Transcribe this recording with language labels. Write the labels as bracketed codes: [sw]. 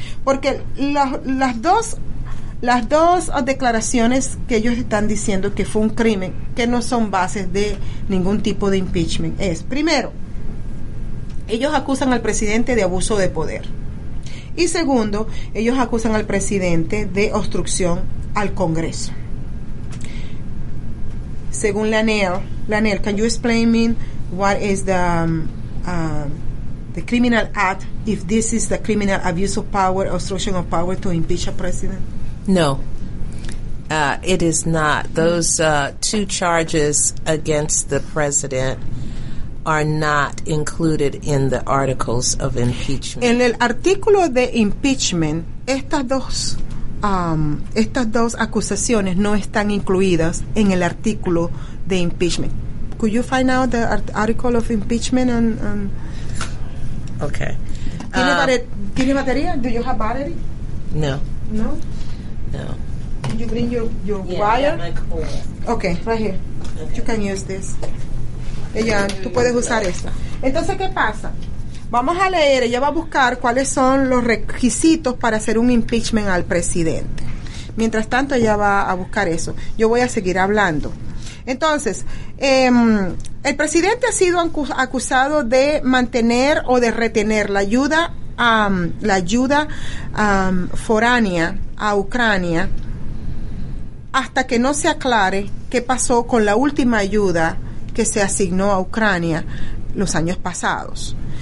[es] porque las dos declaraciones que ellos están diciendo que fue un crimen, que no son bases de ningún tipo de impeachment, es, primero, ellos acusan al presidente de abuso de poder. Y segundo, ellos acusan al presidente de obstrucción al Congreso. [en] Según Lanier, can you explain me what is the criminal act if this is the criminal abuse of power, obstruction of power to impeach a president? No, it is not. Those two charges against the president are not included in the articles of impeachment. En el artículo de impeachment, estas dos acusaciones no están incluidas en el artículo de impeachment. Could you find out the article of impeachment? Okay. [es] ¿Tiene batería? [en] Do you have battery? No. No? No. Can you bring your yeah, wire? Yeah, my cord. Okay, right here. Okay. You can use this. [es] Ella, tú puedes usar esta. Entonces, ¿qué pasa? Vamos a leer, ella va a buscar cuáles son los requisitos para hacer un impeachment al presidente. Mientras tanto, ella va a buscar eso. Yo voy a seguir hablando. Entonces, el presidente ha sido acusado de mantener o de retener la ayuda foránea a Ucrania hasta que no se aclare qué pasó con la última ayuda que se asignó a Ucrania los años pasados.